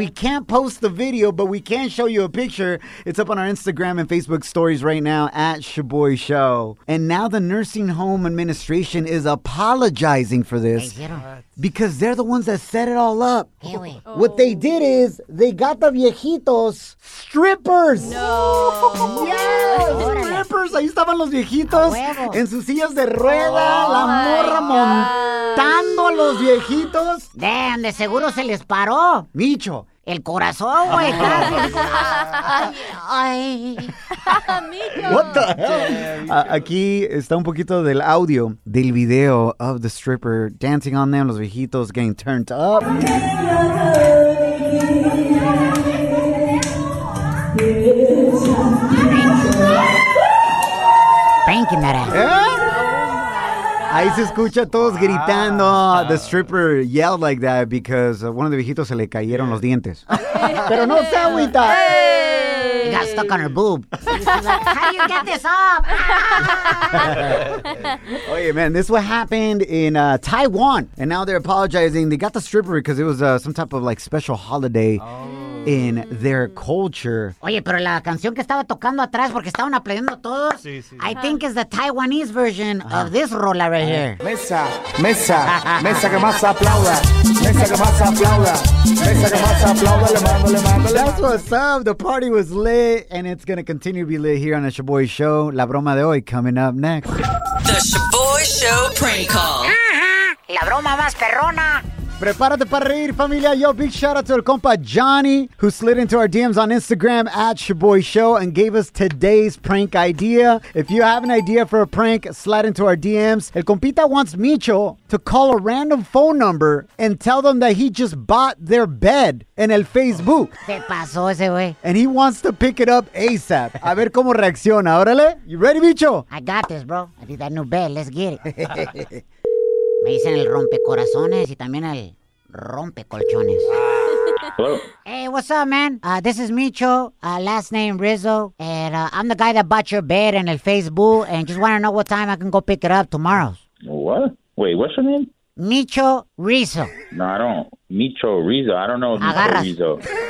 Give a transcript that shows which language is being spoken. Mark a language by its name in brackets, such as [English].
[English] We can't post the video, but we can show you a picture. It's up on our Instagram and Facebook stories right now, at Shaboy Show. And now the nursing home administration is apologizing for this. Because they're the ones that set it all up. What they did is they got the viejitos strippers. No. Yes, strippers. [Spanish] Ahí estaban los viejitos en sus sillas de rueda. Oh, la morra montando a los viejitos. Damn, de seguro se les paró. Micho. El corazón, güey. Ay. [English] What the hell? [Spanish] Aquí está un poquito del audio del video [English] of the stripper dancing on them, [Spanish] los viejitos [English] getting turned up. thinking that I... [Spanish] Ahí se escucha todos gritando. [English] The stripper yelled like that because one of the [Spanish] viejitos se le cayeron los dientes. Pero no se agüita. [English] It got stuck on her boob. So she's like, how do you get this off? Oye, man, this is what happened in Taiwan. And now they're apologizing. They got the stripper because it was some type of like special holiday in their culture. [Spanish] Oye, pero la canción que estaba tocando atrás porque estaban aplaudiendo todos, sí, sí, sí. [English] I think is the Taiwanese version of this rola right here. [Spanish] Mesa, mesa, mesa que más aplauda. Mesa que más aplauda. Mesa que más aplauda. Le mando. [English] That's what's up. The party was lit and it's going to continue to be lit here on the Shaboy Show. [Spanish] La broma de hoy [English] coming up next. The Shaboy Show prank call. [Spanish] La broma más perrona. Prepárate para reír, familia. [English] Yo, big shout out to our compa Johnny, who slid into our DMs on Instagram at Shaboy Show and gave us today's prank idea. If you have an idea for a prank, slide into our DMs. El compita wants Micho to call a random phone number and tell them that he just bought their bed in el Facebook. [Spanish] Se pasó ese güey. [English] And he wants to pick it up ASAP. [Spanish] A ver cómo reacciona, órale. [English] You ready, Micho? I got this, bro. I need that new bed. Let's get it. [Spanish] Me dicen el rompecorazones y también el rompecolchones. [English] Hello. Hey, what's up, man? This is Micho, last name Rizzo, and I'm the guy that bought your bed in el Facebook, and just want to know what time I can go pick it up tomorrow. What? Wait, what's your name? Micho Rizzo. No, I don't. Micho Rizzo. I don't know Micho [Spanish] Agarras. [English] Rizzo.